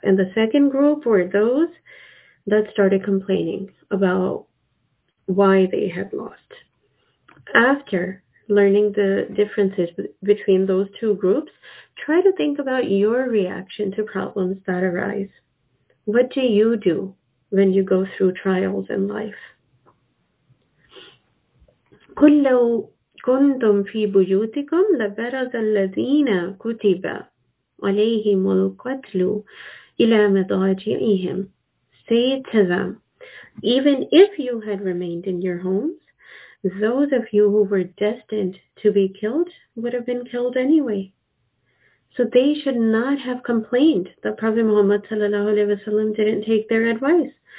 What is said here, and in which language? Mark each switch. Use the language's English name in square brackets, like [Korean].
[English] And the second group were those that started complaining about why they had lost. After learning the differences between those two groups, try to think about your reaction to problems that arise. What do you do when you go through trials in life? [Arabic] قل لو كنتم في بيوتكم لبرز الذين كتب عليهم القتل إلى مضاجعهم. [English] Say to them, even if you had remained in your homes, those of you who were destined to be killed would have been killed anyway. So they should not have complained that Prophet Muhammad sallallahu alaihi wasallam didn't take their advice.